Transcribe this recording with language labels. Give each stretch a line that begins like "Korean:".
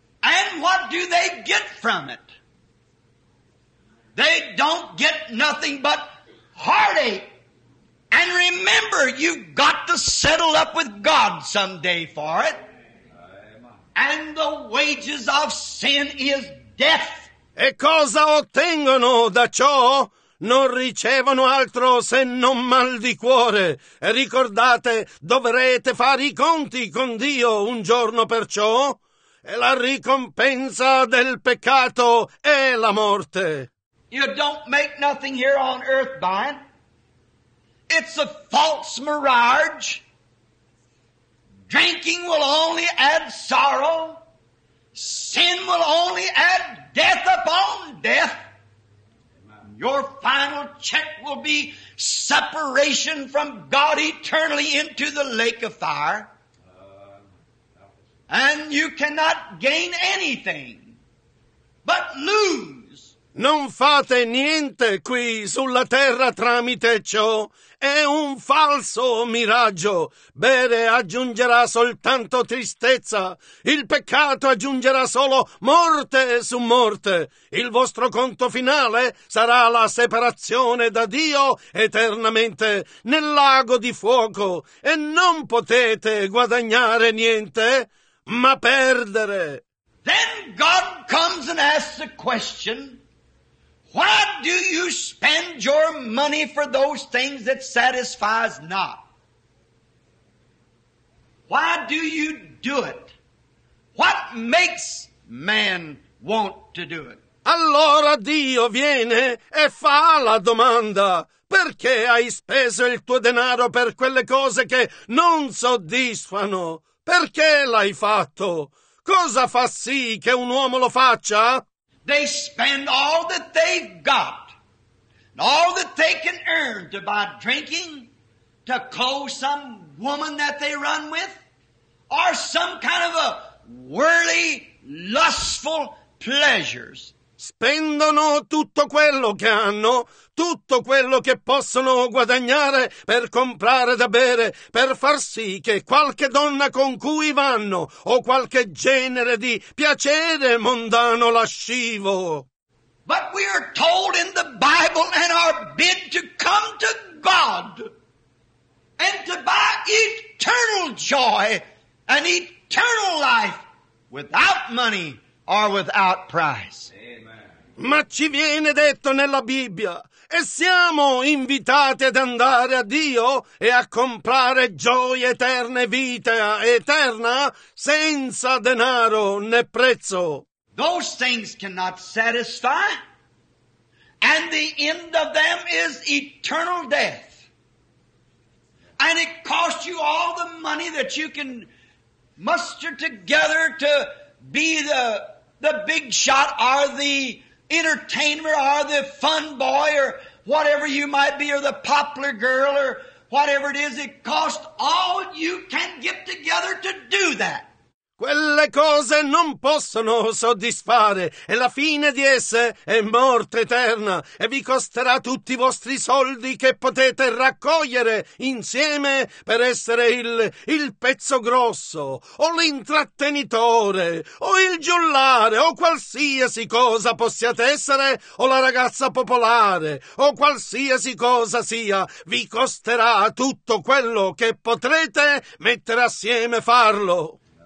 English: And what do they get from it? They don't get nothing but heartache. And remember, you've got to settle up with God someday for it. And the wages of sin is death.
Italian: E cosa ottengono da ciò? Non ricevono altro se non mal di cuore. E ricordate, dovrete fare i conti con Dio un giorno per ciò. E la ricompensa del peccato è la morte.
English: You don't make nothing here on earth by it. It's a false mirage. Drinking will only add sorrow. Sin will only add death upon death. Your final check will be separation from God eternally into the lake of fire. And you cannot gain anything but lose.
Italian: Non fate niente qui sulla terra tramite ciò. È un falso miraggio. Bere aggiungerà soltanto tristezza. Il peccato aggiungerà solo morte su morte. Il vostro conto finale sarà la separazione da Dio eternamente nel lago di fuoco. E non potete guadagnare niente, ma perdere.
English: Then God comes and asks a question. Why do you spend your money for those things that satisfies not? Why do you do it? What makes man want to do it?
Italian: Allora Dio viene e fa la domanda: perché hai speso il tuo denaro per quelle cose che non soddisfano? Perché l'hai fatto? Cosa fa sì che un uomo lo faccia?
English: They spend all that they've got, and all that they can earn to buy drinking, to coax some woman that they run with? Or some kind of a worldly, lustful pleasures?
Italian: Spendono tutto quello che hanno, tutto quello che possono guadagnare per comprare da bere, per far sì che qualche donna con cui vanno o qualche genere di piacere mondano lascivo.
English: But we are told in the Bible and are bid to come to God and to buy eternal joy and eternal life without money or without price.
Italian: Ma ci viene detto nella Bibbia, e siamo invitati ad andare a Dio e a comprare gioie eterne, vita eterna, senza denaro né prezzo.
English: Those things cannot satisfy, and the end of them is eternal death. And it costs you all the money that you can muster together to be the big shot or the entertainer or the fun boy or whatever you might be, or the popular girl or whatever it is. It costs all you can get together to do that.
Italian: Quelle cose non possono soddisfare, e la fine di esse è morte eterna, e vi costerà tutti i vostri soldi che potete raccogliere insieme per essere il pezzo grosso, o l'intrattenitore, o il giullare, o qualsiasi cosa possiate essere, o la ragazza popolare, o qualsiasi cosa sia, vi costerà tutto quello che potrete mettere assieme farlo.